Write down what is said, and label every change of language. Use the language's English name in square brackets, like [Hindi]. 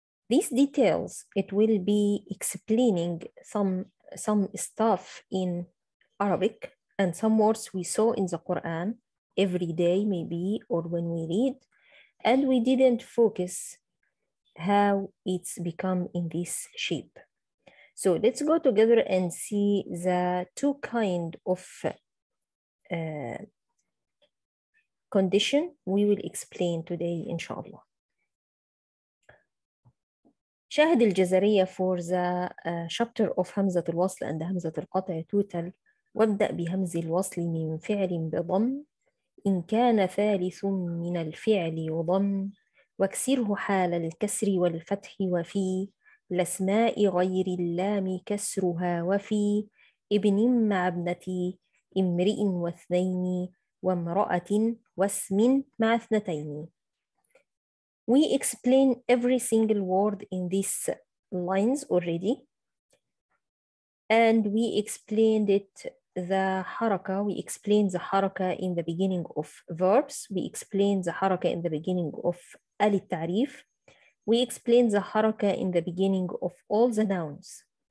[English] These details, it will be explaining some stuff in Arabic and some words we saw in the Quran every day maybe or when we read, and we didn't focus how it's become in this shape. So let's go together and see the two kind of condition we will explain today inshallah. [Arabic] شاهد الجزرية [English] for the chapter of همزة الوصل and همزة القطع total. [Arabic] وابدأ بهمز الوصل من فعل بضم إن كان ثالث من الفعل يضم واكسره حال الكسر والفتح وفي الأسماء غير اللام كسرها وفي ابن مع ابنتي امرئ واثنين وامرأة واسم مع اثنتين. [English] We explain every single word in these lines already, and we explained it the haraka, we explained the haraka in the beginning of verbs, we explained the haraka in the beginning of al ta'rif, we explained the haraka in the beginning of all the nouns.